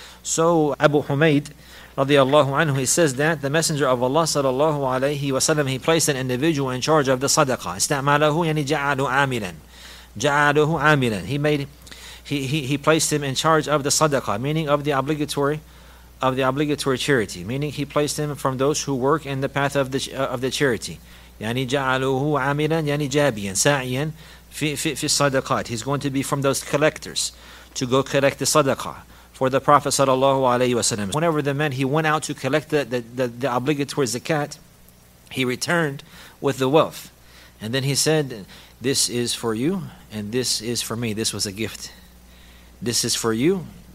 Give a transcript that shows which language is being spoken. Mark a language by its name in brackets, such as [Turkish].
[English] So Abu Humayd radiyallahu anhu, he says that the Messenger of Allah sallallahu alayhi wa sallam, he placed an individual in charge of the sadaqah. [Arabic] Istama'ahu yani ja'alu 'amilan, ja'aluhu 'amilan, [English] he placed him in charge of the sadaqah, meaning of the obligatory charity, meaning he placed him from those who work in the path of the charity. [Arabic] يعني جعله عاملا يعني جابيا ساعيا في الصدقات. [English] He's going to be from those collectors to go collect the sadaqah for the Prophet sallallahu alaihi wasallam. Whenever the man, he went out to collect the obligatory zakat, he returned with the wealth, and then he said, "This is for you, and this is for me. This was a gift. This is for you.